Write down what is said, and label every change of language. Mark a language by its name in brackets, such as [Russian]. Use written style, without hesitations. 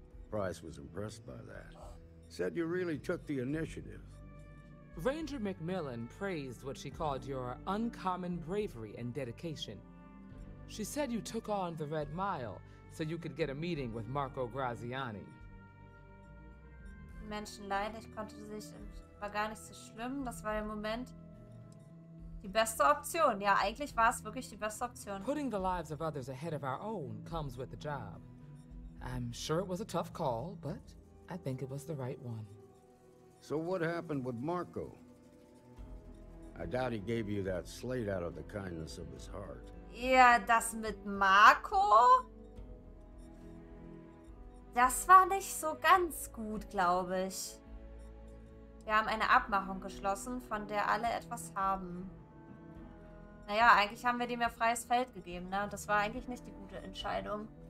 [English] Price was impressed by that. Said you really took the initiative. Ranger McMillan praised what she called your uncommon bravery and dedication. She said you took on the Red Mile, so you could get a meeting with Marco Graziani. [German] Menschen leiden, ich konnte sich, war gar nicht so schlimm, das war im Moment die beste Option. Ja, eigentlich war es wirklich die beste Option. [English] Putting the lives of others ahead of our own comes with the job. I'm sure it was a tough call, but I think it was the right one. So what happened with Marco? I doubt he gave you that slate out of the kindness of his heart. [German] Ja, das mit Marco? Das war nicht so ganz gut, glaube ich. Wir haben eine Abmachung geschlossen, von der alle etwas haben. Naja, eigentlich haben wir dem ja freies Feld gegeben, ne? Das war eigentlich nicht die gute Entscheidung.